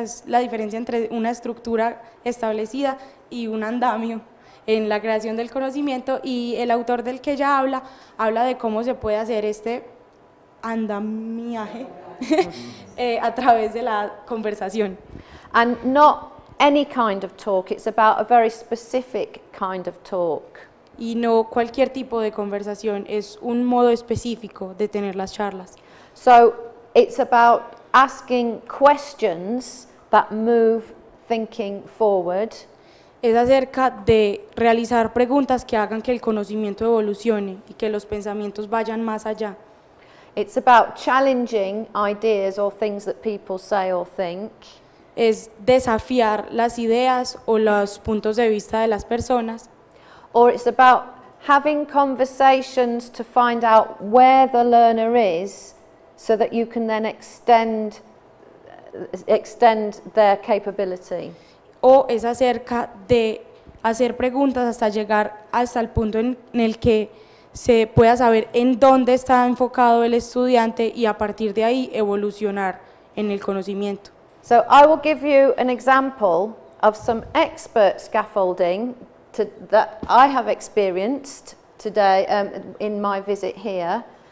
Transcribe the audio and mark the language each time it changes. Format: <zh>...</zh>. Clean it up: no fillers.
<es>Es la diferencia entre una estructura establecida y un andamio en la creación del conocimiento, y el autor del que ella habla, habla de cómo se puede hacer este andamiaje a través de la conversación.</es> <en>And not any kind of talk, it's about a very specific kind of talk.</en> <es>Y no cualquier tipo de conversación, es un modo específico de tener las charlas.</es> <en>So it's about asking questions that move thinking forward.</en> <es>Es acerca de realizar preguntas que hagan que el conocimiento evolucione y que los pensamientos vayan más allá.</es> <en>It's about challenging ideas or things that people say or think.</en> <es>Es desafiar las ideas o los puntos de vista de las personas.</es> <en>Or it's about having conversations to find out where the learner is so that you can then extend their capability.</en> <es>O es acerca de hacer preguntas hasta llegar hasta el punto en el que se pueda saber en dónde está enfocado el estudiante y a partir de ahí evolucionar en el conocimiento.</es> <en>So I will give you an example of some expert scaffolding that I have experienced today in my visit here.</en>